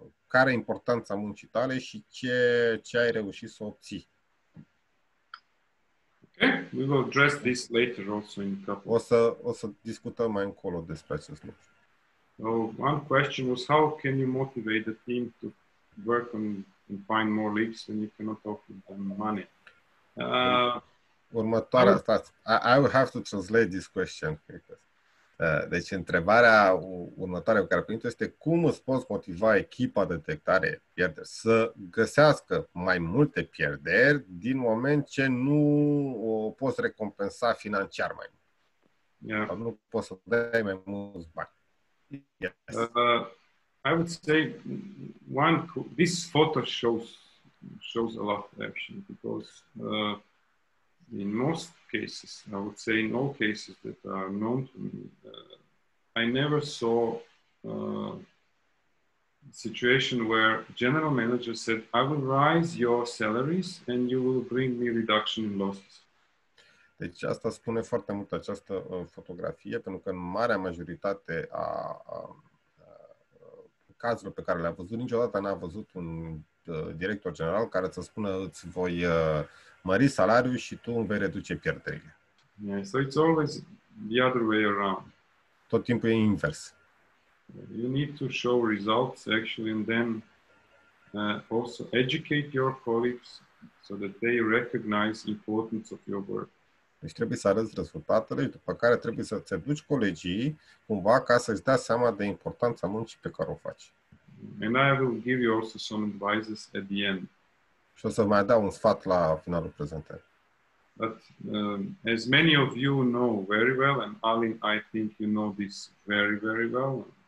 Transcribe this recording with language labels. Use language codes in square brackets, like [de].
[ro] care e importanța muncii tale și ce ai reușit să obții. [en] Okay, we will address this later also in couple. [ro] O să discutăm mai încolo despre acest lucru. [en] So one question was how can you motivate the team to work on and find more leads when you cannot offer them money? [ro] Următoarea, stați, [en] I will have to translate this question. [ro] Deci întrebarea următoare cu care prindu este cum îți poți motiva echipa de detectare pierderi să găsească mai multe pierderi din moment ce nu o poți recompensa financiar mai mult. [en] Yeah. [ro] Nu poți să dai mai mulți bani. [en] Yes. I would say one, this photo shows a lot of action because in most cases, I would say in all cases that are known to me, I never saw a situation where general manager said, I will raise your salaries and you will bring me reduction in losses. [ro] Deci asta spune foarte mult această fotografie, pentru că în marea majoritate a cazurile pe care le-a văzut, niciodată n-a văzut un director general care să spună îți voi mări salariul și tu îmi vei reduce pierderile. [en] Yeah, so it's always the other way around. [ro] Tot timpul e invers. [en] You need to show results actually and then also educate your colleagues so that they recognize the importance of your work. [ro] Deci trebuie să arăți rezultatele și după care trebuie să îți educi colegii cumva ca să-ți dea seama de importanța muncii pe care o faci. [en] And I will give you also some advices at the end. [ro] Și o să mai dau un sfat la finalul prezentării. [en] But as many of you know very well, and Alin, I think you know this very, very well.